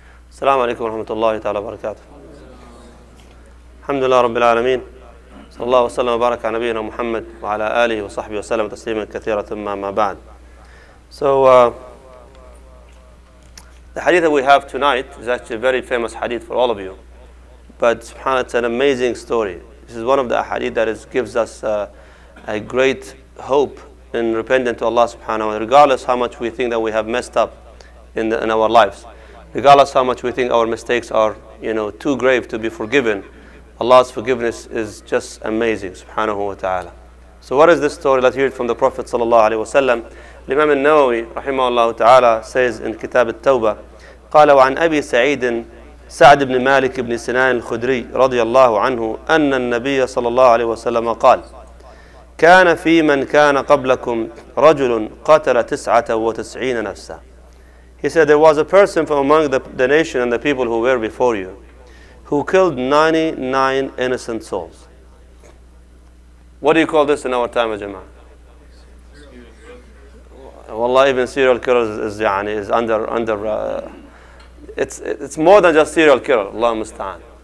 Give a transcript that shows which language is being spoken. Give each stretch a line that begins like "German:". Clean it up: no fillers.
Arabic: السلام عليكم ورحمة الله تعالى وبركاته. الحمد لله رب العالمين، صلى الله وسلم وبارك على نبينا محمد وعلى آله وصحبه وسلم تسليما كثيرا، ثم ما بعد.
English: So the hadith that we have tonight is actually a very famous hadith for all of you. But subhanAllah, it's an amazing story. This is one of the hadith that gives us a great hope in repenting to Allah subhanahu wa ta'ala, regardless how much we think that we have messed up in our lives. Regardless how much we think our mistakes are, you know, too grave to be forgiven, Allah's forgiveness is just amazing, subhanahu wa ta'ala. So what is this story? Let's hear it from the Prophet sallallahu alayhi wa sallam. Imam al-Nawawi, rahimahullah ta'ala, says in Kitab al-Tawbah,
Arabic: قال وعن أبي سعيد سعد بن مالك بن سنان الخدري رضي الله عنه أن النبي صلى الله عليه وسلم قال كان في من كان قبلكم رجل قتل 99 نفسا.
English: He said, there was a person from among the nation and the people who were before you who killed 99 innocent souls. What do you call this in our time, Jama'ah? Wallah, even serial killers is under it's more than just serial killer, Allah musta'an.